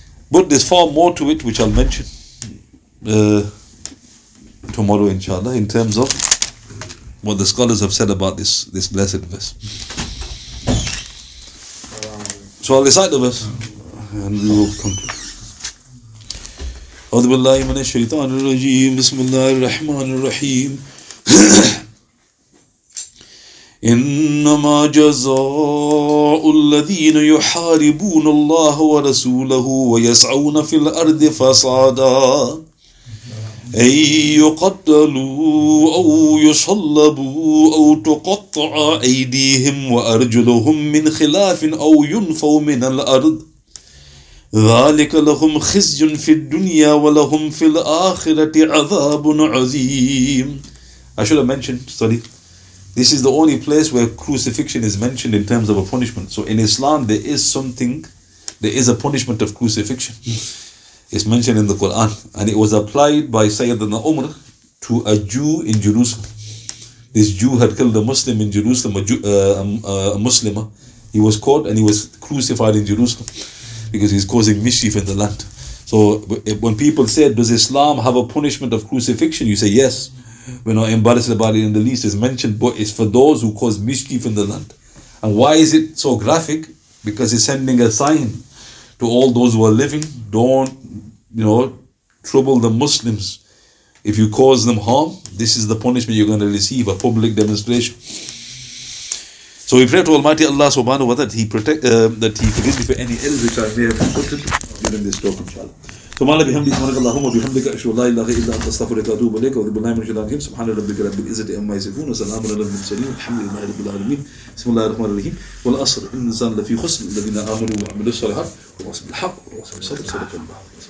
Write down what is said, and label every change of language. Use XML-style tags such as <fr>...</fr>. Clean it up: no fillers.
<en>But there's far more to it, which I'll mention tomorrow inshallah, in terms of what the scholars have said about this blessed verse. So I'll recite the verse and we will come to it.</en> <ar>أعوذ بالله من الشيطان الرجيم بسم الله الرحمن الرحيم إنما جزاء الذين يحاربون الله ورسوله ويسعون في الأرض فسادا أن يقتلوا أو يصلبوا أو تقطع أيديهم وأرجلهم من خلاف أو ينفوا من الأرض ذلك لهم خزي في الدنيا ولهم في الآخرة عذاب عظيم.</ar> <en>I should have mentioned, sorry, this is the only place where crucifixion is mentioned in terms of a punishment. So in Islam there is something, there is a punishment of crucifixion. It's mentioned in the Quran and it was applied by Sayyidina Umar to a Jew in Jerusalem. This Jew had killed a Muslim in Jerusalem, a Muslimah. He was caught and he was crucified in Jerusalem because he's causing mischief in the land. So when people said, does Islam have a punishment of crucifixion? You say, yes. We're not embarrassed about it in the least. It's mentioned, but it's for those who cause mischief in the land. And why is it so graphic? Because it's sending a sign to all those who are living. Don't, you know, trouble the Muslims. If you cause them harm, this is the punishment you're going to receive, a public demonstration. So we pray to Almighty Allah subhanahu wa ta'ala that He forgive me for any ill which I may have committed during this talk, inshallah.</en> <ar>سبحانك اللهم وبحمدك اللهم وبحمدك اشهد ان لا اله الا انت استغفرك واتوب اليك وارجو بالله من شيطان الرجيم سبحان ربك رب العزه عما يصفون وسلام على المرسلين والحمد لله رب العالمين بسم الله الرحمن الرحيم والعصر ان الانسان لفي خسر الذين امنوا وعملوا الصالحات وواصلوا الحق وواصلوا الصبر صدق الله</ar>